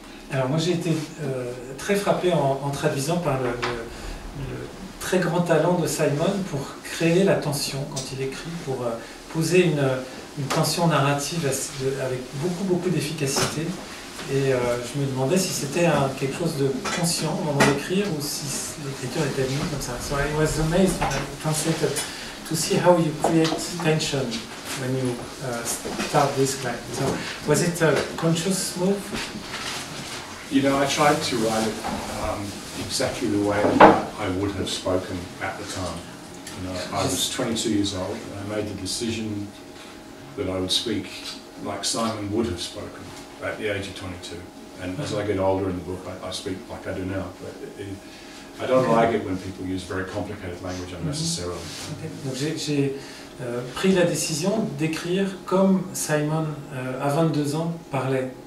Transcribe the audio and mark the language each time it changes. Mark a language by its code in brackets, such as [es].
[fr] Alors moi j'ai été très frappé en traduisant par le très grand talent de Simon pour créer la tension quand il écrit, pour poser une tension narrative avec beaucoup beaucoup d'efficacité. Et je me demandais si c'était quelque chose de conscient au moment d'écrire ou si l'écriture était venue comme ça. [en] So I was amazed when I translated to see how you create tension when you start this climb. So was it a conscious move? You know, I tried to write it exactly the way I would have spoken at the time. You know, I was 22 years old and I made the decision that I would speak like Simon would have spoken at the age of 22. And as I get older in the book, I speak like I do now. But I don't like it when people use very complicated language unnecessarily. Mm-hmm. Okay. [fr] Donc j'ai pris la décision d'écrire comme Simon à 22 ans parlait.